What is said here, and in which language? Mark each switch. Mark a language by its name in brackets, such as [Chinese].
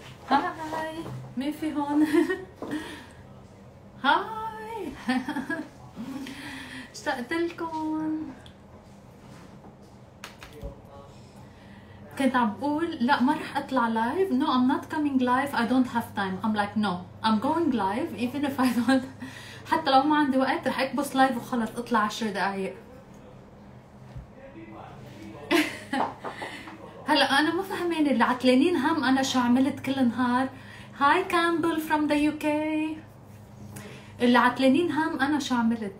[Arabic] هاي مين في هون؟ هاي اشتقت لكم. كنت عم بقول لا ما رح اطلع لايف. [English] No, I'm not coming live. I don't have time. I'm like no, I'm going live even if I don't. [Arabic] حتى لو ما عندي وقت رح اكبس لايف وخلص اطلع 10 دقايق. هلا انا ما فهمانه اللي عتلانين هم انا شو عملت كل النهار. [English] Hi Campbell from the U K. [Arabic] اللي عتلانين هم انا شو عملت.